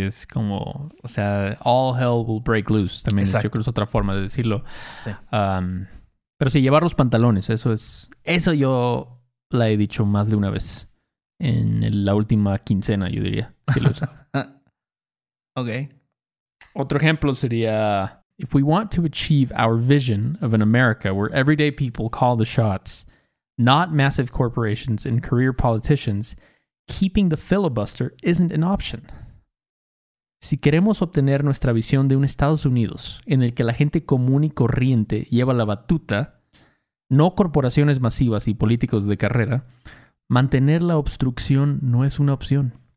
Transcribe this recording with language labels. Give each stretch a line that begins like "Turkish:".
Spanish: Es como, o sea,
English: all hell will break loose.
Spanish: También exacto. Yo creo que es otra forma de decirlo. Sí. Pero sí, llevar los pantalones, eso es... Eso yo la he dicho más de una vez. En la última quincena, yo diría. Si lo uso. Ok. Otro ejemplo sería...
English: If we want to achieve our vision of an America where everyday people call the shots, not massive corporations and career politicians... Keeping the filibuster isn't an option.
Spanish: Si queremos obtener nuestra visión de un Estados Unidos en el que la gente común y corriente lleva la batuta, no corporaciones masivas y políticos de carrera, mantener la obstrucción no es una opción.